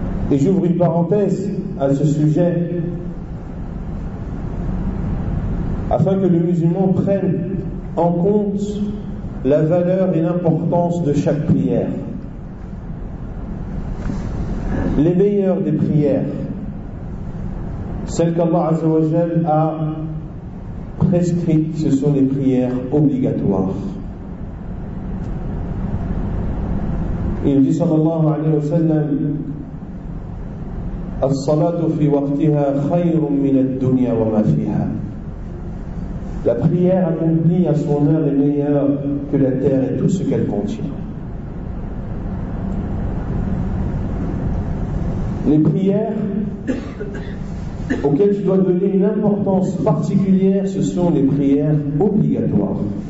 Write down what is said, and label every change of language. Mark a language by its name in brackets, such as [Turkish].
[French] Et j'ouvre une parenthèse à ce sujet, afin que le musulman prenne en compte la valeur et l'importance de chaque prière. Les meilleures des prières, celles qu'Allah Azza wa Jal a prescrites, ce sont les prières obligatoires. Il dit [Arabic] sallallahu alayhi wa sallam: الصلاة في وقتها خير من الدنيا وما فيها. [French] La prière accomplie à son heure est meilleure que la terre et tout ce qu'elle contient. Les prières auxquelles tu dois donner une importance particulière, ce sont les prières obligatoires.